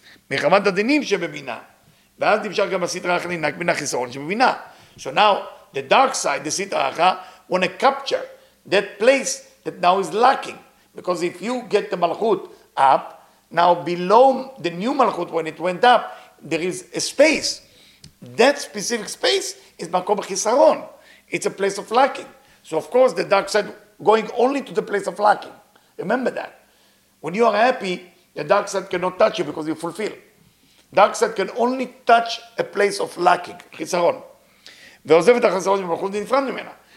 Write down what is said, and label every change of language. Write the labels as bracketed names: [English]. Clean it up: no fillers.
[Hebrew] מחמת הדינים שבבינה, ואז נמשך גם הסיטרה אחת נינק מן החיסרון שבבינה. [English] So now, the dark side, the סיטרה אחת, want to capture that place that now is lacking. Because if you get the מלכות up, now below the new מלכות, when it went up, there is a space. That specific space is מקום החיסרון. It's a place of lacking. So of course, the dark side going only to the place of lacking. Remember that. When you are happy, the dark side cannot touch you because you fulfill. Dark side can only touch a place of lacking, chisaron. [Hebrew] ועוזב את החסרון של מלכות נפרד ממנה.